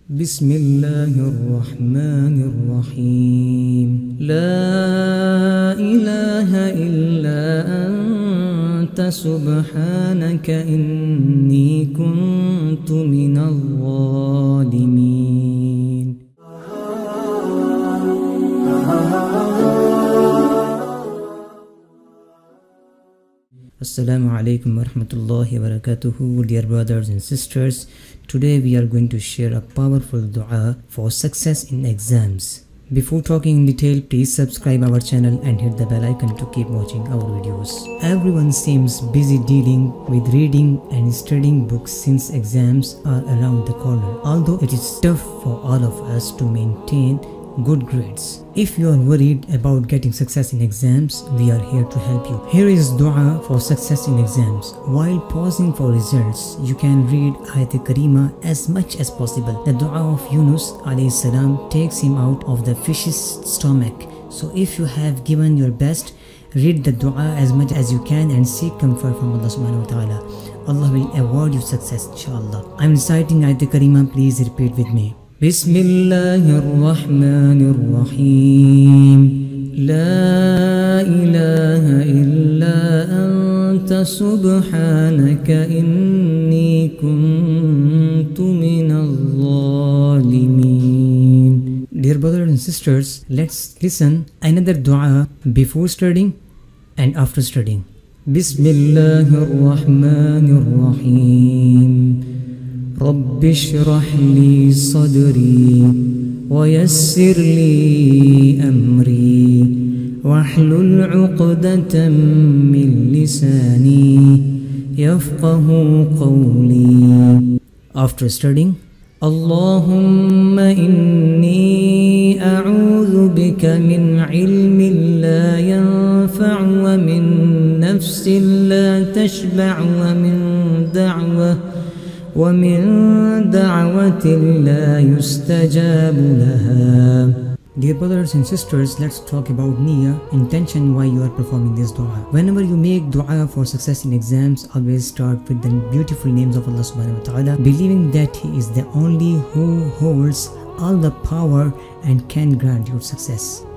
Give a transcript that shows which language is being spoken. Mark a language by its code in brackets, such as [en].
[ar] بسم الله الرحمن الرحيم لا إله إلا أنت سبحانك إني كنت من الظالمين السلام عليكم ورحمة الله وبركاته [en] dear brothers and sisters. Today we are going to share a powerful dua for success in exams. Before talking in detail, please subscribe our channel and hit the bell icon to keep watching our videos. Everyone seems busy dealing with reading and studying books since exams are around the corner. Although it is tough for all of us to maintain good grades. If you are worried about getting success in exams, we are here to help you. Here is dua for success in exams. While pausing for results, you can read Ayat Karima as much as possible. The dua of Yunus alayhi salam takes him out of the fish's stomach. So if you have given your best, read the dua as much as you can and seek comfort from Allah subhanahu wa ta'ala. Allah will award you success inshallah. I'm reciting Ayat Karima, please repeat with me. [ar] بسم الله الرحمن الرحيم لا إله إلا أنت سبحانك إني كنت من الظالمين. [en] Dear brothers and sisters, let's listen another dua before studying and after studying. [ar] بسم الله الرحمن الرحيم رب اشرح لي صدري ويسر لي أمري واحلل عقدة من لساني يفقه قولي. [en] After studying, [ar] اللهم إني أعوذ بك من علم لا ينفع ومن نفس لا تشبع ومن دعوة ومن دعوة لا يستجاب لها. [en] Dear brothers and sisters, let's talk about niya, intention why you are performing this dua. Whenever you make dua for success in exams, always start with the beautiful names of Allah subhanahu wa ta'ala, believing that He is the only who holds all the power and can grant your success.